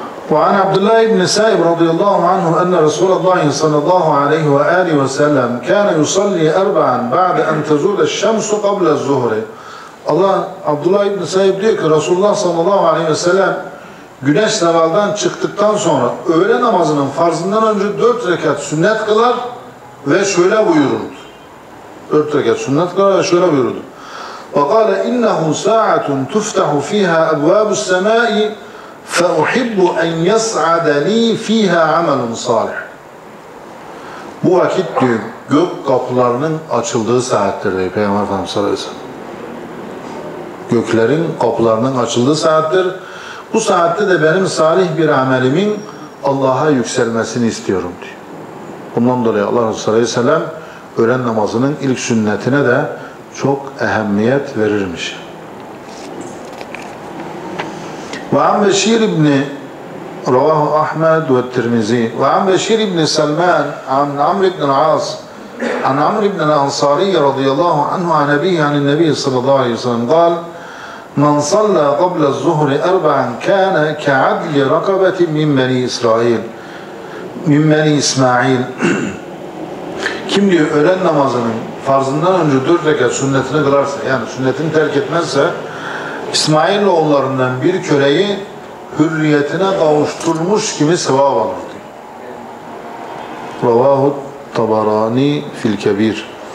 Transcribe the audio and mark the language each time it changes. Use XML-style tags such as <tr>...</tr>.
<ar>وعن عبد الله بن سائب رضي الله عنه أن رسول الله صلى الله عليه وآله وسلم كان يصلي أربعا بعد أن تزول الشمس قبل الظهر.</ar> <tr>الله عبد الله بن سائب diyor ki Resulullah sallallahu aleyhi ve sellem güneş zevaldan çıktıktan sonra öğle namazının farzından önce 4 rekat sünnet kılar ve şöyle buyururdu. 4 rekat sünnet kılar ve şöyle buyururdu.</tr> <ar>وَقَالَ إِنَّهُ سَاعَةٌ تُفْتَحُ فِيهَا أَبْوَابُ السَّمَاءِ فَأُحِبُّ أَنْ يَسْعَدَ لِي ف۪يهَا عَمَلٌ صَالِحٌ.</ar> <tr>Bu vakit diyor, gök kapılarının açıldığı saattir diyor Peygamber Efendimiz sallallahu aleyhi ve sellem. Göklerin kapılarının açıldığı saattir. Bu saatte de benim salih bir amelimin Allah'a yükselmesini istiyorum diyor. Bundan dolayı Allah Resulü sallallahu aleyhi ve sellem öğlen namazının ilk sünnetine de çok ehemmiyet verirmiş.</tr> <ar>وعن بشير بن رواه أحمد والترمذي وعن بشير بن سلمان عن عمرو بن العاص عن عمرو بن الأنصاري رضي الله عنه عن أبيه عن النبي صلى الله عليه وسلم قال من صلى قبل الظهر أربعا كان كعدل رقبة من بني إسرائيل من بني إسماعيل.</ar> <tr>Kim diyor öğlen namazının farzından önce 4 rekat sünnetini kılarsa yani sünnetini terk etmezse İsmail oğullarından bir köleyi hürriyetine kavuşturmuş gibi sevap alırdı.</tr> <ar>Ravahu Tabarani fil Kebir.</ar>